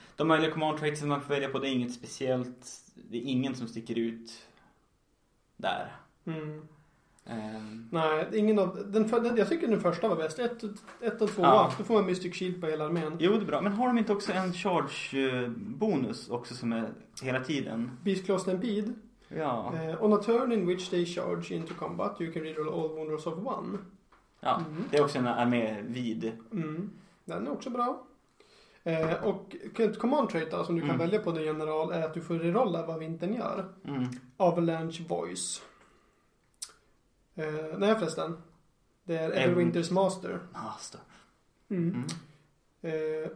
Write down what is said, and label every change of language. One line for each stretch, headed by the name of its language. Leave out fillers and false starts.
Swedish: De möjliga command traits som man får välja på, det är inget speciellt. Det är ingen som sticker ut där. Mm. Nej, ingen av den, jag tycker den första var bäst. Ett och två, ja. Då får man Mystic Shield på hela armén. Jo, det är bra, men har de inte också en charge-bonus också som är hela tiden? Beastclaw Stampede. Ja.
English: On a turn in which they charge into combat, you can reroll all wounds of one.
Swedish: Ja, mm. Det är också en armé vid. Mm. Den är också bra. Och command trait som du kan välja på din general är att du får rerolla vad vintern gör. Mm. Avalanche Voice. Nej, förresten. Det är Everwinter's Master. Master. Mm. Mm.